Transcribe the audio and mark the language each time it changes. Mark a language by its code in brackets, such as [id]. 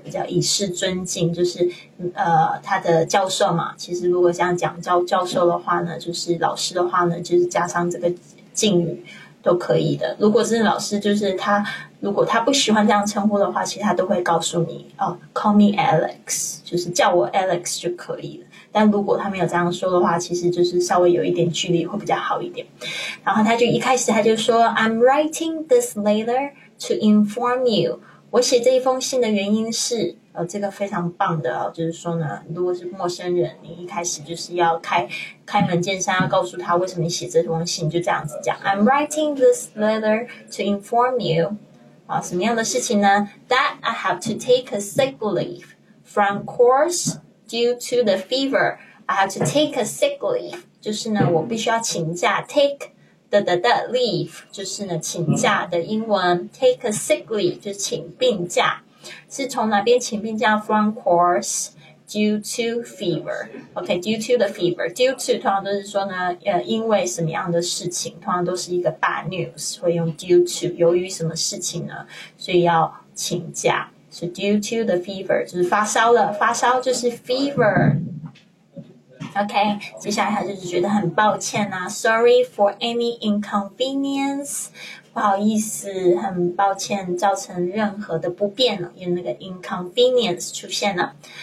[zh] 比较以示尊敬，就是他的教授嘛，其实如果这样讲教授的话呢，就是老师的话呢，就是加上这个敬语都可以的。如果是老师，就是他如果他不喜欢这样称呼的话，其实他都会告诉你哦 [en] Call me Alex, [zh] 就是叫我 Alex 就可以了。但如果他没有这样说的话，其实就是稍微有一点距离会比较好一点。然后他就一开始他就说 [en] I'm writing this letter to inform you. [zh] 我写这一封信的原因是这个非常棒的就是说呢，如果是陌生人，你一开始就是要开门见山，要告诉他为什么你写这封信，就这样子讲 [en] I'm writing this letter to inform you. [zh] 什么样的事情呢 [en] ？That I have to take a sick leave from course due to the fever. I have to take a sick leave. [zh] 就是呢，我必须要请假。 [en] Take the leave [zh] 就是呢，请假的英文。 [en] Take a sick leave [zh] 就是请病假。 是从哪边请病假 ？ [en] From course due to fever. Okay, due to the fever. [zh] Due to 通常都是说呢，因为什么样的事情，通常都是一个 bad news， 会用 due to， 由于什么事情呢，所以要请假。 [en] So due to the fever [zh] 就是发烧了，发烧就是 fever。 Okay, 接下来他就是觉得很抱歉啊 ， [en] Sorry for any inconvenience。 [zh] 不好意思，很抱歉造成任何的不便了，因为那个 inconvenience 出现了